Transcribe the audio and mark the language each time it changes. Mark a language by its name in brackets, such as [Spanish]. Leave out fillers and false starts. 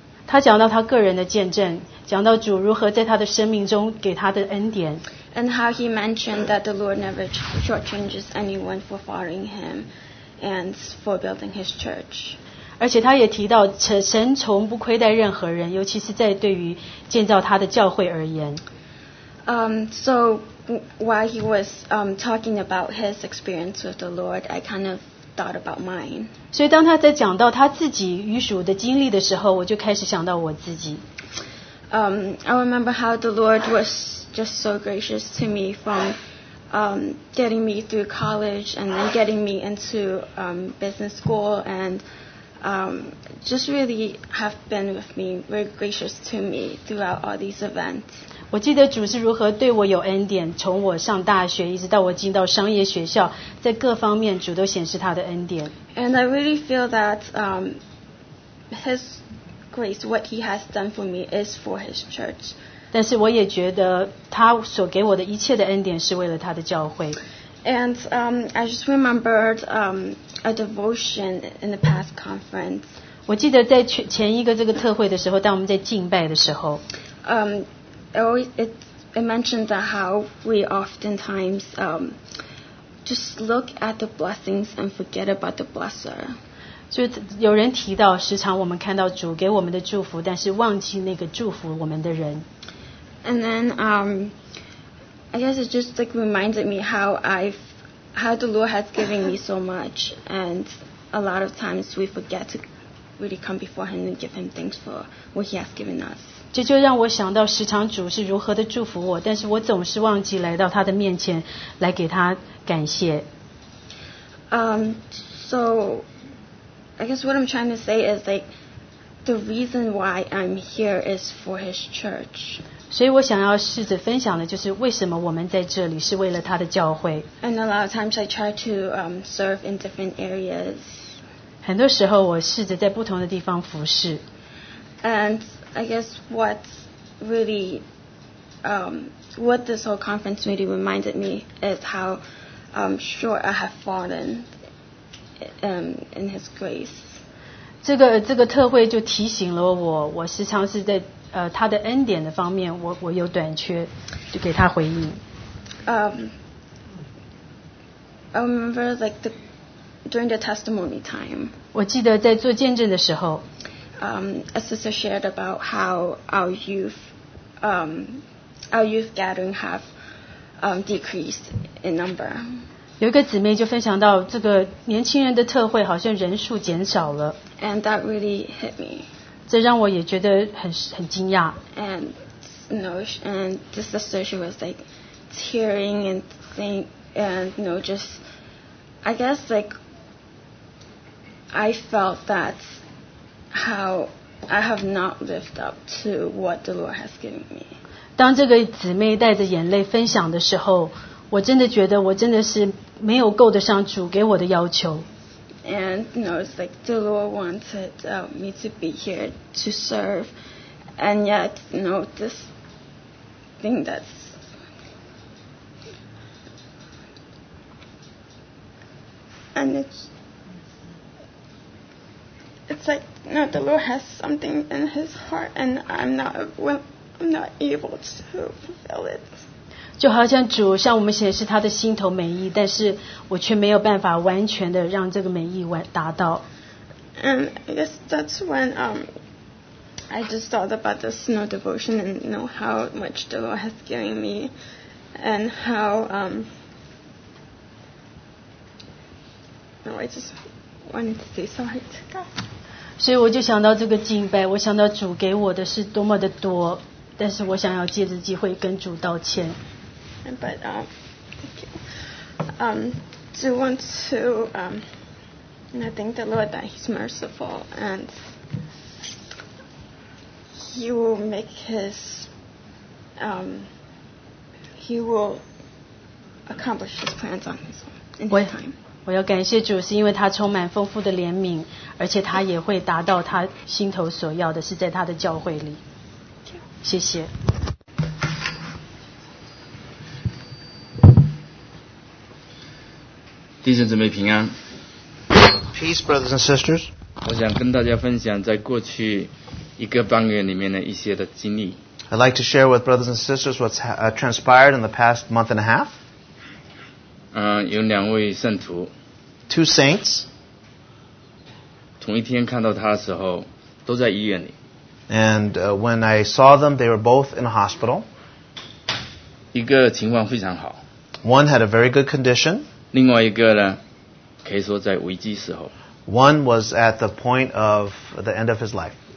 [Chinese] 他讲到他个人的见证，讲到主如何在他的生命中给他的恩典。 [English] And how he mentioned that the Lord never shortchanges anyone for following him and for building his church. [Chinese] 而且他也提到神从不亏待任何人，尤其是在对于建造他的教会而言。 [English] So while he was talking about his experience with the Lord, I kind of thought about mine. [Chinese] 所以当他在讲到他自己与主的经历的时候，我就开始想到我自己。 [English] I remember how the Lord was just so gracious to me from getting me through college and then getting me into business school and just really have been with me, very gracious to me throughout all these events. [Chinese] 我记得主是如何对我有恩典，从我上大学一直到我进到商业学校，在各方面主都显示他的恩典。 [English] And I really feel that his grace, what he has done for me, is for his church. [Chinese] 但是我也觉得他所给我的一切的恩典是为了他的教会。 [English] And I just remembered a devotion in the past conference. [Chinese] 我记得在前一个这个特会的时候，当我们在敬拜的时候。 [English] It mentioned that how we oftentimes just look at the blessings and forget about the blesser. [Chinese] 就有人提到，时常我们看到主给我们的祝福，但是忘记那个祝福我们的人。 [English] And then, I guess it just like reminded me how the Lord has given me so much, and a lot of times we forget to really come before Him and give Him thanks for what He has given us. [Chinese] 这就让我想到时常主是如何的祝福我，但是我总是忘记来到他的面前来给他感谢。 [English] So I guess what I'm trying to say is like the reason why I'm here is for His church. [Chinese] 所以我想要试着分享的就是为什么我们在这里是为了他的教会。 [English] And a lot of times I try to serve in different areas. [Chinese] 很多时候我试着在不同的地方服侍。 [English] And I guess what really, what this whole conference really reminded me is how short I have fallen in His grace. [Chinese] 这个特会就提醒了我，我时常是在他的恩典的方面我有短缺，就给他回应。 [English] I remember like during the testimony time. [Chinese] 我记得在做见证的时候。 [English] A sister shared about how our youth gathering have decreased in number. [Chinese] 有一个姊妹就分享到这个年轻人的特会好像人数减少了。 [English] And that really hit me. [Chinese] 这让我也觉得很惊讶。 [English] And the sister, she was like tearing and saying, and you know, just, I guess like, I felt that how I have not lived up to what the Lord has given me. [Chinese] 当这个姊妹带着眼泪分享的时候，我真的觉得我真的是没有够得上主给我的要求。 [English] And you know, it's like the Lord wanted me to be here to serve, and yet you know this thing that's and it's like you know, the Lord has something in His heart, and I'm not able to fulfill it. [Chinese] 就好像主向我们显示他的心头美意，但是我却没有办法完全的让这个美意达到。 [English] And I guess that's when I just thought about the snow devotion and you know how much the Lord has given me and how I just wanted to say sorry to God. [Chinese] 所以我就想到这个敬拜，我想到主给我的是多么的多，但是我想要借着机会跟主道歉。 [English] But do want to I thank the Lord that He's merciful and He will make His He will accomplish His plans on His own in His time. [Chinese] 我要感谢主，是因为他充满丰富的怜悯，而且他也会达到他心头所要的，是在他的教会里。谢谢。弟兄姊妹平安。 [English] Peace, brothers and sisters. [Chinese] 我想跟大家分享在过去一个半月里面的一些的经历。 [English] I'd like to share with brothers and sisters what's transpired in the past month and a half. [Chinese] 有两位圣徒。 [English] Two saints. [Chinese] 同一天看到他的时候，都在医院里。 [English] And when I saw them, they were both in a hospital. [Chinese] 一个情况非常好。 [English] One had a very good condition. [Chinese] 另外一个呢，可以说在危机时候。 [English] One was at the point of the end of his life.